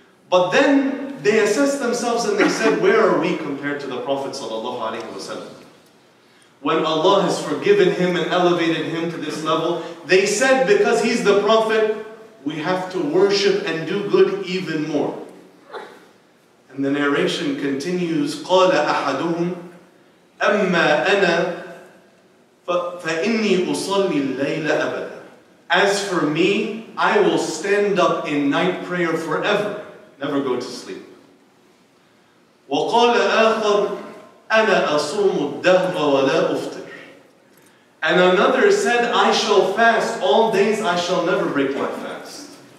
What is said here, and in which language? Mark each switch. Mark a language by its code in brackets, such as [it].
[en] But then they assessed themselves and they said, where are we compared to the Prophet ﷺ? When Allah has forgiven him and elevated him to this level, they said, because he's the Prophet, we have to worship and do good even more. And the narration continues, [ar] قَالَ أَحَدُهُمْ أَمَّا أَنَا فَإِنِّي أُصَلِّ اللَّيْلَ أَبَدًا. [en] As for me, I will stand up in night prayer forever. Never go to sleep. [ar] وَقَالَ آخَرُ أَنَا أَصُومُ الدَّهْرَ وَلَا أُفْتِرُ. [en] And another said, I shall fast all days, I shall never break my fast.